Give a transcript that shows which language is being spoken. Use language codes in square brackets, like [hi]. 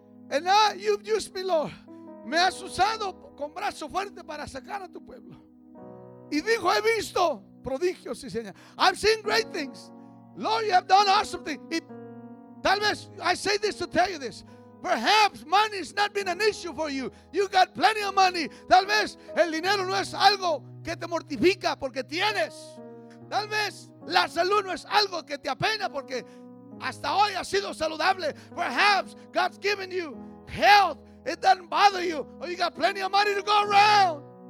[en] And I, you've used me, Lord. [es] Me has usado con brazo fuerte para sacar a tu pueblo. Y dijo, he visto prodigios y señales. [en] I've seen great things. Lord, you have done awesome things. [es] Y tal vez, [en] I say this to tell you this. Perhaps money has not been an issue for you. You got plenty of money. [es] Tal vez el dinero no es algo que te mortifica porque tienes. Tal vez la salud no es algo que te apena porque hasta hoy has sido saludable. [en] Perhaps God's given you health. It doesn't bother you. Or you got plenty of money to go around.